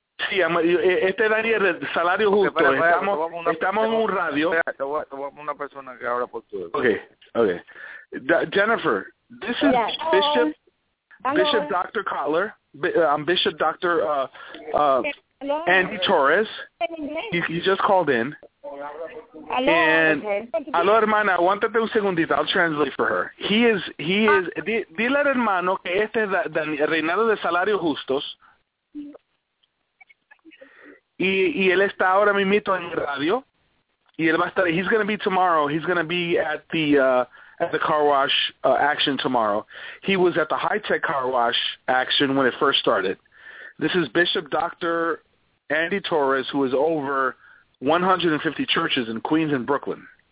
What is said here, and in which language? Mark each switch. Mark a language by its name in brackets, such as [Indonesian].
[Spanish] Sí, este es Daniel, el salario justo. Estamos en un radio. Te voy a una persona que habla portugués. Okay. [English] Jennifer, this is Bishop Dr. Kotler. I'm Bishop Dr. Andy Torres. He just called in. Hello, [Spanish] hermana, aguántate un segundito. [English] I'll translate for her. He is. [Spanish] Dile al hermano que este es Daniel, Reinaldo de Salarios Justos. Y él está ahora mismo en radio. Y él va a estar. [English] He's going to be tomorrow. He's going to be at the car wash action tomorrow. He was at the high tech car wash action when it first started. This is Bishop Dr. Andy Torres, who is over 150 churches in Queens and Brooklyn.